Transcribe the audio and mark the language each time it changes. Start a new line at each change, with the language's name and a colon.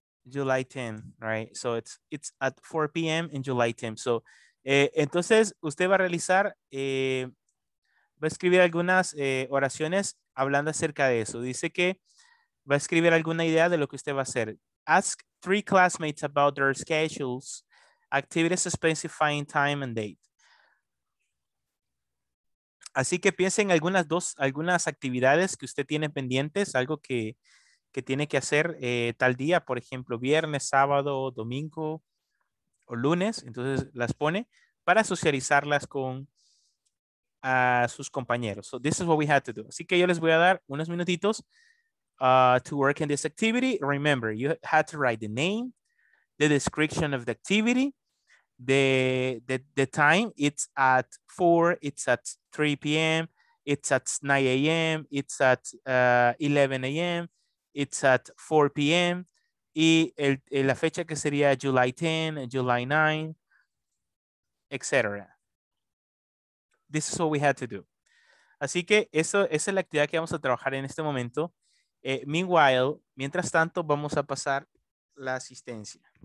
English: July 10, right? So it's at 4 p.m. in July 10.
Spanish: So, entonces, usted va a realizar... va a escribir algunas oraciones hablando acerca de eso. Dice que va a escribir alguna idea de lo que usted va a hacer.
English: Ask 3 classmates about their schedules, activities specifying time and date.
Spanish: Así que piense en algunas actividades que usted tiene pendientes, algo que tiene que hacer tal día, por ejemplo, viernes, sábado, domingo o lunes. Entonces las pone para socializarlas con a sus compañeros.
English: So this is what we had to do.
Spanish: Así que yo les voy a dar unos minutitos
English: to work in this activity. Remember, you had to write the name, the description of the activity, the time. It's at 4, it's at 3 p.m., it's at 9 a.m., it's at 11 a.m., it's at 4 p.m.,
Spanish: y la fecha que sería
English: July 10, July 9, etc. This is what we had to do.
Spanish: Así que esa es la actividad que vamos a trabajar en este momento. Meanwhile, mientras tanto, vamos a pasar la asistencia.